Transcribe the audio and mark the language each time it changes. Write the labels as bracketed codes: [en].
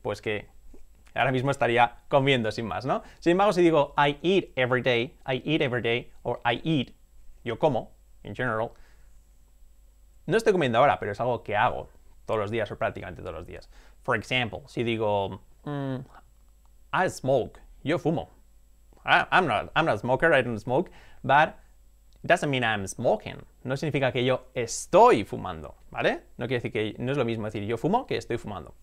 [es] Pues que ahora mismo estaría comiendo sin más, ¿no? Sin embargo, si digo [en] I eat every day, [es] o [en] I eat, [es] yo como, [en] in general, [es] no estoy comiendo ahora, pero es algo que hago todos los días o prácticamente todos los días. [en] For example, [es] si digo [en] I smoke, [es] yo fumo. [en] I'm not a smoker, I don't smoke, but doesn't mean I'm smoking. [es] No significa que yo estoy fumando, ¿vale? No quiere decir que no es lo mismo decir yo fumo que estoy fumando.